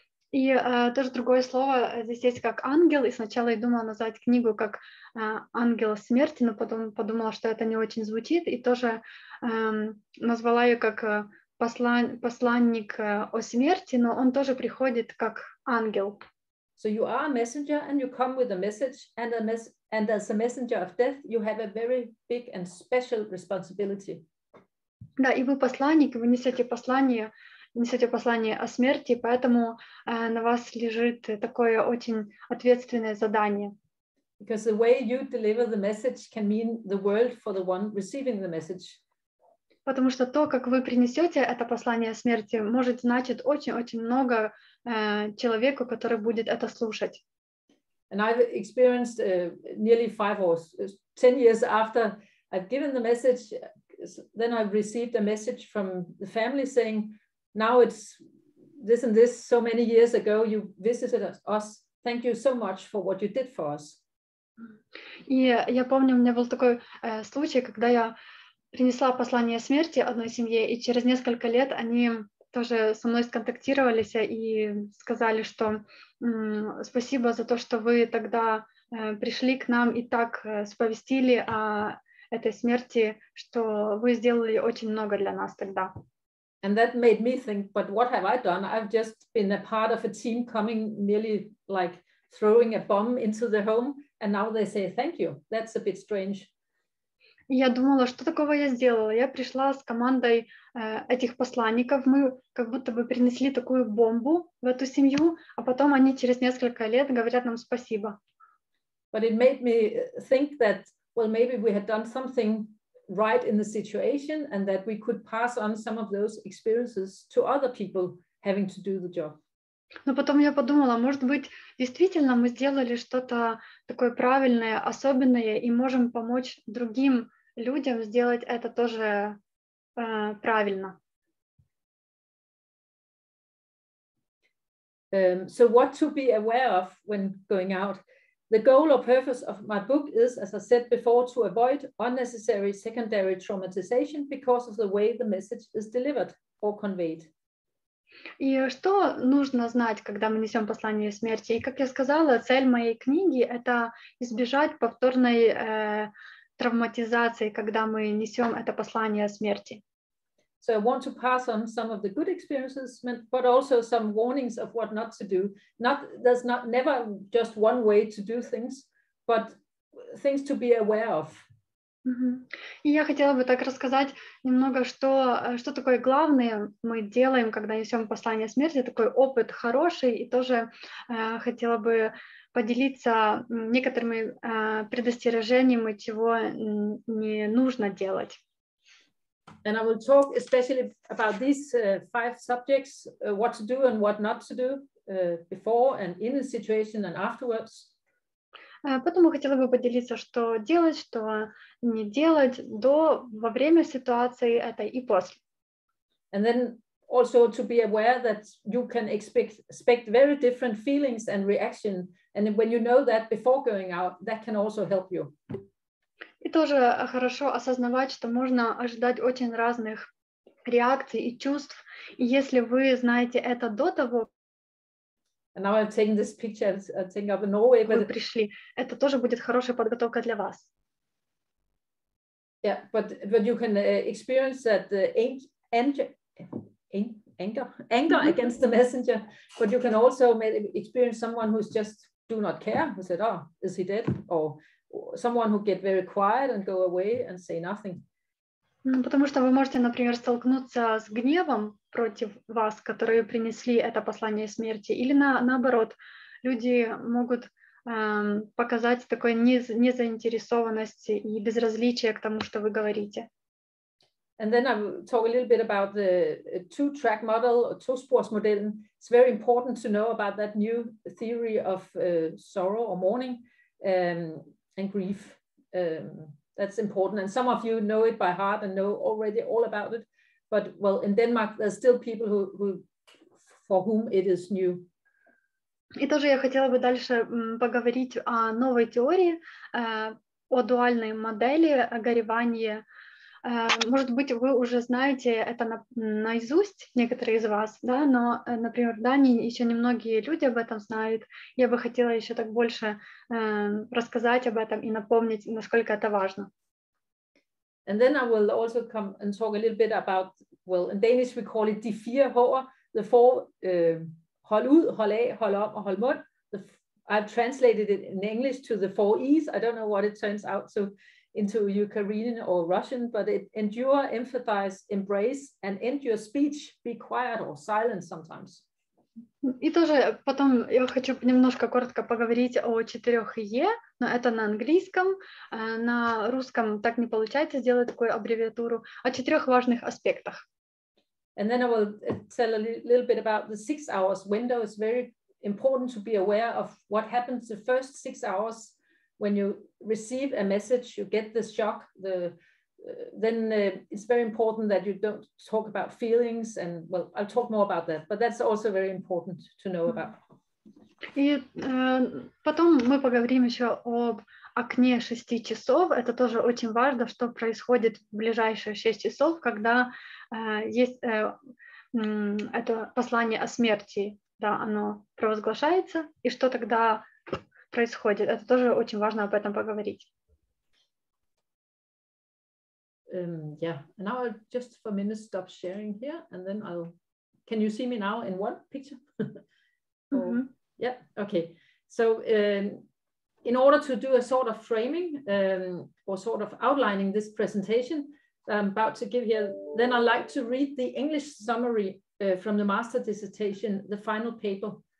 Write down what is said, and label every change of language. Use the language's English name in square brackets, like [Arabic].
[Russian] И тоже другое слово здесь есть как ангел, и сначала я думала назвать книгу как ангел смерти, но потом подумала, что это не очень звучит, и тоже назвала ее как посланник о смерти, но он тоже приходит как ангел. [English] So you are a messenger and you come with a message, and as a messenger of death, you have a very big and special responsibility. [Russian] Да, и вы посланник, вы несете послание о смерти, поэтому на вас лежит такое очень ответственное задание. [English] Because the way you deliver the message can mean the world for the one receiving the message. [Russian] Потому что то, как вы принесете это послание о смерти, может значить очень-очень много человеку, который будет это слушать. [English] And I've experienced nearly 5 or 10 years after I've given the message. Then I received a message from the family saying, now it's this and this, so many years ago, you visited us. Thank you so much for what you did for us. [Russian] И я помню, у меня был такой случай, когда я принесла послание смерти одной семье, и через несколько лет они тоже со мной сконтактировались и сказали, что спасибо за то, что вы тогда пришли к нам и так сповестили о этой смерти, что вы сделали очень много для нас тогда. [English] And that made me think, but what have I done? I've just been a part of a team coming nearly like throwing a bomb into the home, and now they say thank you. That's a bit strange. [Russian] Я думала, что такого я сделала? Я пришла с командой этих посланников, мы как будто бы принесли такую бомбу в эту семью, а потом они через несколько лет говорят нам спасибо. [English] But it made me think that, well, maybe we had done something right in the situation and that we could pass on some of those experiences to other people having to do the job. [Russian] Но потом я подумала, может быть, действительно мы сделали что-то такое правильное, особенное, и можем помочь другим людям сделать это тоже правильно. [English] So what to be aware of when going out? The goal or purpose of my book is, as I said before, to avoid unnecessary secondary traumatization because of the way the message is delivered or conveyed. [Russian] И что нужно знать, когда мы несем послание смерти? И как я сказала, цель моей книги — это избежать повторной травматизации, когда мы несем это послание смерти. [English] So I want to pass on some of the good experiences, but also some warnings of what not to do. There's never just one way to do things, but things to be aware of. Mm-hmm. [Russian] И я хотела бы так рассказать немного, что такое главное мы делаем, когда несем послание смерти, такой опыт хороший, и тоже хотела бы поделиться некоторыми предостережениями, чего не нужно делать. [English] And I will talk especially about these five subjects, what to do and what not to do before and in the situation and afterwards. [Russian] Потом я хотела бы поделиться, что делать, что не делать до, во время ситуации этой и после. [English] And then also to be aware that you can expect very different feelings and reaction. And when you know that before going out, that can also help you. [Russian] И тоже хорошо осознавать, что можно ожидать очень разных реакций и чувств. И если вы знаете это до того, [English] And now I'm taking this picture and thinking of Norway. [Russian] Вы пришли. Это тоже будет хорошая подготовка для вас. [English] Yeah, but you can experience that anger against the messenger. But you can also experience someone who's just do not care. Who said, "Oh, is he dead?" Or someone who get very quiet and go away and say nothing. [Russian] Ну, потому что вы можете, например, столкнуться с гневом против вас, которые принесли это послание смерти, или наоборот, люди могут показать такое незаинтересованность и безразличие к тому, что вы говорите. [English] And then I will talk a little bit about the two-track model, two-spores model. It's very important to know about that new theory of sorrow or mourning and grief. That's important, and some of you know it by heart and know already all about it. But well, in Denmark, there's still people who for whom it is new. [Russian] И тоже я хотела бы дальше поговорить о новой теории, о дуальной модели горевания. Может быть, вы уже знаете это наизусть, некоторые из вас, да, но, например, в Дании еще немногие люди об этом знают. Я бы хотела еще так больше рассказать об этом и напомнить, насколько это важно. [English] And then I will also come and talk a little bit about, well, in Danish we call it [Danish] de fire hår, [English] the four, [Danish] hold ud, hold af, hold om og hold mund. [English] I've translated it in English to the four E's. I don't know what it turns out to. Into Ukrainian or Russian, but it endure, empathize, embrace, and end your speech, be quiet or silent sometimes. [Russian] И тоже потом я хочу немножко коротко поговорить о четырех Е, но это на английском, на русском так не получается сделать такую аббревиатуру, о четырех важных аспектах. [English] And then I will tell a little bit about the 6 hours window. It's very important to be aware of what happens the first 6 hours. When you receive a message, you get the shock. Then it's very important that you don't talk about feelings. And well, I'll talk more about that. But that's also very important to know about. [Russian] И потом мы поговорим еще об окне 6 часов. Это тоже очень важно, что происходит в ближайшие 6 часов, когда есть это послание о смерти. Да, оно провозглашается. И что тогда происходит. Это тоже очень важно об этом поговорить. Yeah. [English] Now I'll just for a minute stop sharing here, and then I'll. Can you see me now in one picture? Yeah. Okay. So in order to do a sort of framing or sort of outlining this presentation I'm about to give here, then I'd like to read the English summary from the master dissertation, the final paper.